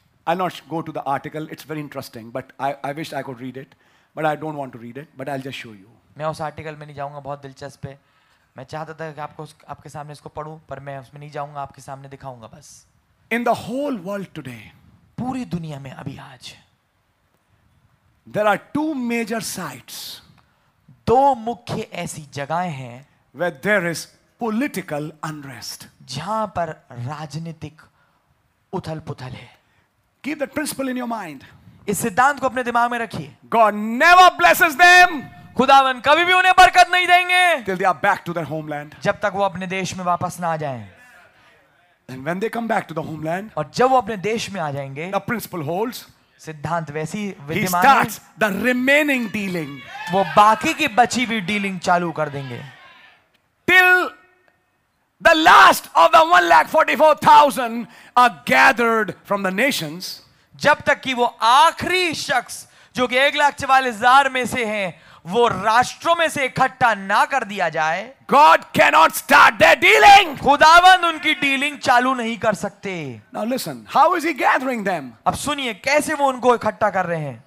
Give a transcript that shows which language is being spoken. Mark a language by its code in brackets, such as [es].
[en] I'll not go to the article. It's very interesting, but I wish I could read it, but I don't want to read it. But I'll just show you. [hi] मैं उस article में नहीं जाऊंगा. बहुत दिलचस्प है. मैं चाहता था कि आपको आपके सामने इसको पढूं, पर मैं उसमें नहीं जाऊंगा. आपके सामने दिखाऊंगा बस. [en] in the whole world today, [hi] पूरी दुनिया में अभी आज, [en] there are two major sites, [hi] दो मुख्य ऐसी जगहें हैं [en] where there is political unrest, [hi] जहां पर राजनीतिक उथल पुथल है. [en] Keep that principle in your mind. [hi] इस सिद्धांत को अपने दिमाग में रखिए. [en] God never blesses them. [hi] खुदावन कभी भी उन्हें बरकत नहीं देंगे. [en] Till they are back to their homeland. [hi] जब तक वो अपने देश में वापस ना आ जाएं. [en] And when they come back to the homeland. [hi] और जब वो अपने देश में आ जाएंगे. [en] The principle holds. [hi] सिद्धांत वैसी विद्यमान. [en] He starts the remaining dealing. [hi] वो बाकी की बची हुई डीलिंग चालू कर देंगे. [en] Till the last of the 144,000 are gathered from the nations. [hi] जब तक कि वो आखिरी शख्स जो कि 144,000 में से हैं, वो राष्ट्रों में से इकट्ठा ना कर दिया जाए. [en] God cannot start their dealing. [hi] खुदावंद उनकी डीलिंग चालू नहीं कर सकते. [en] Now listen, how is he gathering them. [hi] अब सुनिए कैसे वो उनको इकट्ठा कर रहे हैं.